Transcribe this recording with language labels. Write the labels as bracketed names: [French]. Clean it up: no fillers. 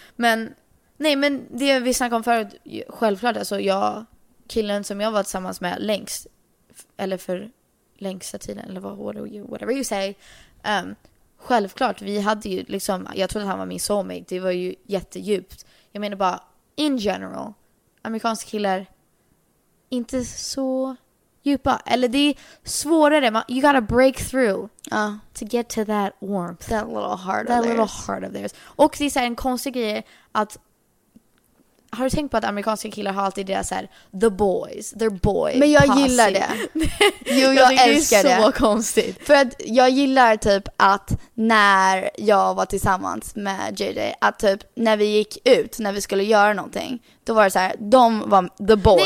[Swedish] Men nej, men det vi snackade om förut, självklart, alltså jag, killen som jag var tillsammans med längst, eller för längsta tiden, eller vad, [English] whatever you say, [Swedish] självklart, vi hade ju liksom, jag trodde att han var min soulmate. Det var ju jättedjupt. Jag menar bara, [English] in general, [Swedish] amerikanska killar, inte så djupa. Eller det är svårare. [English] You gotta break through to get to that warmth. That little heart that of theirs. That little heart of theirs. [Swedish] Och det är en konstig grej att, har du tänkt på att amerikanska killar har alltid det så här, [English] the boys, their boys. [Swedish] Men jag gillar det. Jo, jag älskar det. Det är så konstigt. För att jag gillar typ att när jag var tillsammans med JJ, att typ när vi gick ut, när vi skulle göra någonting, då var det så här, de var the boys.